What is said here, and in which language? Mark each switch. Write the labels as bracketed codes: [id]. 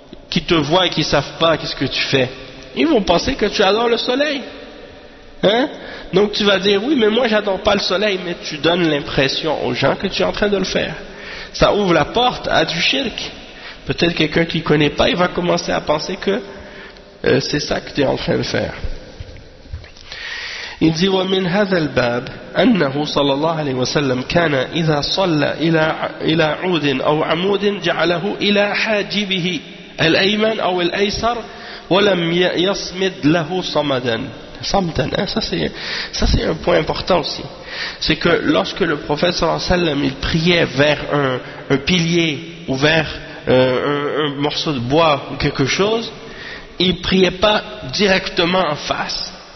[fr] Qui te voient et qui ne savent pas qu'est-ce que tu fais, ils vont penser que tu adores le soleil. Hein? Donc tu vas dire, oui, mais moi j'adore pas le soleil, mais tu donnes l'impression aux gens que tu es en train de le faire. Ça ouvre la porte à du shirk. Peut-être quelqu'un qui ne connaît pas, il va commencer à penser que c'est ça que tu es en train de faire. Il dit, [ar] ومن هذا الباب أنه صلى الله عليه وسلم كان إذا صلى إلى عود أو عمود جعله إلى حاجبه الأيمن أو الأيسر ولم يصمد له صمدا. [fr] Ça c'est un point important aussi. C'est que lorsque le prophète sallallahu alayhi wa sallam il priait vers un pilier ou vers un morceau de bois ou quelque chose, il ne priait pas directement en face.